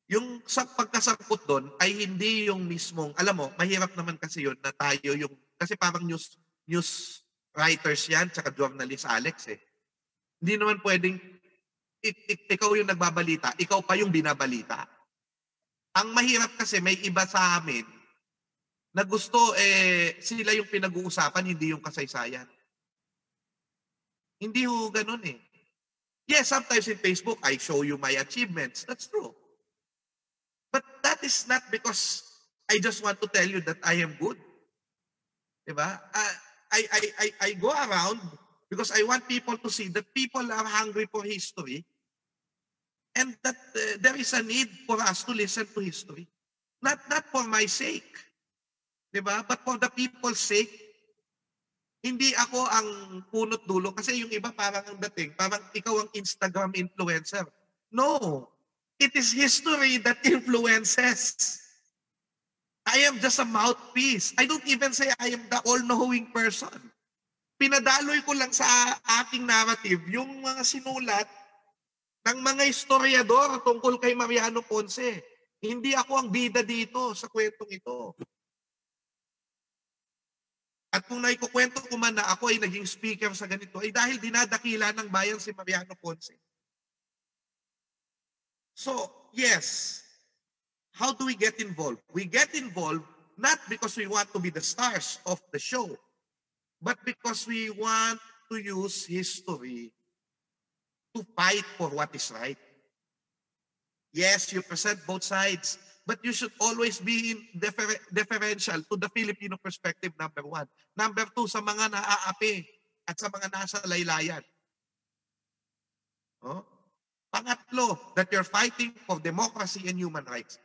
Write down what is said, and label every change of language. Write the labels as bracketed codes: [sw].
[tl] Yung sa pagkasangkot doon ay hindi yung mismong, alam mo, mahirap naman kasi yun na tayo yung, kasi parang news writers yan, tsaka journalist Alex eh. Hindi naman pwedeng ikaw yung nagbabalita, ikaw pa yung binabalita. Ang mahirap kasi may iba sa amin na gusto sila yung pinag-uusapan, hindi yung kasaysayan. Hindi ho ganun eh. [en] Yes, sometimes in Facebook, I show you my achievements. That's true. But that is not because I just want to tell you that I am good. [tl] Diba? [en] I go around because I want people to see that people are hungry for history and that there is a need for us to listen to history. Not for my sake, [tl] diba? [en] But for the people's sake. [tl] hindi ako ang punot dulo kasi yung iba parang ang dating, parang ikaw ang Instagram influencer. [en] No! It is history that influences. I am just a mouthpiece. I don't even say I am the all-knowing person. [tl] Pinadaloy ko lang sa aking narrative yung mga sinulat ng mga historiador tungkol kay Mariano Ponce. Hindi ako ang bida dito sa kwentong ito. At kung naikukwento ko man na ako ay naging speaker sa ganito, ay dahil dinadakila ng bayan si Mariano Ponce. [en] So, yes, how do we get involved? We get involved not because we want to be the stars of the show, but because we want to use history to fight for what is right. Yes, you present both sides, but you should always be in deferential to the Filipino perspective, number one. Number two, [tl] sa mga naaapi at sa mga nasa laylayan. Oh? Pangatlo, [en] that you're fighting for democracy and human rights.